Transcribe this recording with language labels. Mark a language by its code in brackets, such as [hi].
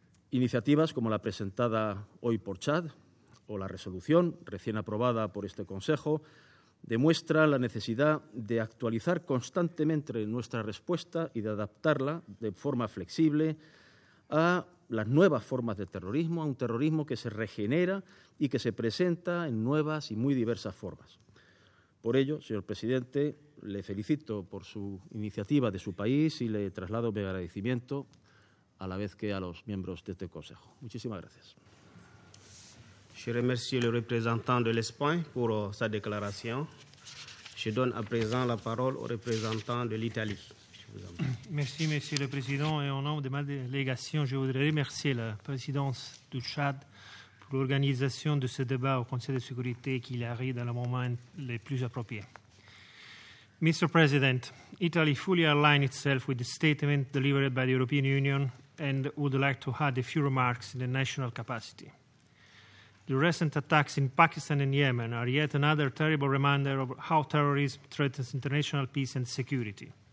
[es] Iniciativas como la presentada hoy por Chad o la resolución recién aprobada por este Consejo demuestra la necesidad de actualizar constantemente nuestra respuesta y de adaptarla de forma flexible a las nuevas formas de terrorismo, a un terrorismo que se regenera y que se presenta en nuevas y muy diversas formas. Por ello, señor presidente, le felicito por su iniciativa de su país y le traslado mi agradecimiento a la vez que a los miembros de este Consejo. Muchísimas gracias. [fr] Je remercie le représentant de l'Espagne pour sa déclaration. Je donne à présent la parole au représentant de l'Italie. Merci, Monsieur le Président. Et au nom de ma délégation, je voudrais remercier la présidence du Tchad pour l'organisation de ce débat au Conseil de sécurité qui arrive dans le moment le plus approprié. [en] Mr. President, Italy fully aligns itself with the statement delivered by the European Union and would like to add a few remarks in the national capacity. The recent attacks in Pakistan and Yemen are yet another terrible reminder of how terrorism threatens international peace and security.